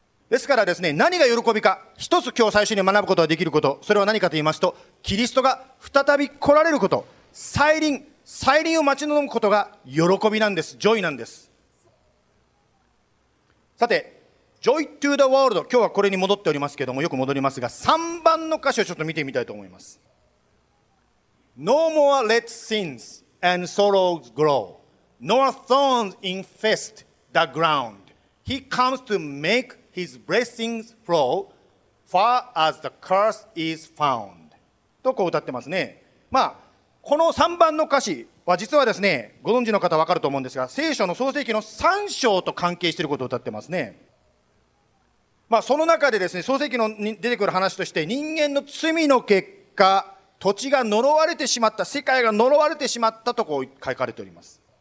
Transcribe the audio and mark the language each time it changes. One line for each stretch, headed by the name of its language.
Japanese: ですからですね、何が喜びか、一つ今日最初に学ぶことができること、それは何かと言いますと、キリストが再び来られること、再臨を待ち望むことが喜びなんです、ジョイなんです。さて、ジョイ・トゥ・ザ・ワールド、今日はこれに戻っておりますけども、よく戻りますが、3番の歌詞をちょっと見てみたいと思います。
English: No more let sins and sorrows grow, nor thorns infest the ground. He comes to make His blessings flow far as the curse is found.
Japanese: とこう歌ってますね。まあこの3番の歌詞は実はですね、ご存知の方は分かると思うんですが、聖書の創世記の3章と関係していることを歌ってますね。まあその中でですね、創世記の出てくる話として、人間の罪の結果、土地が呪われてしまった、世界が呪われてしまったとこう書かれております。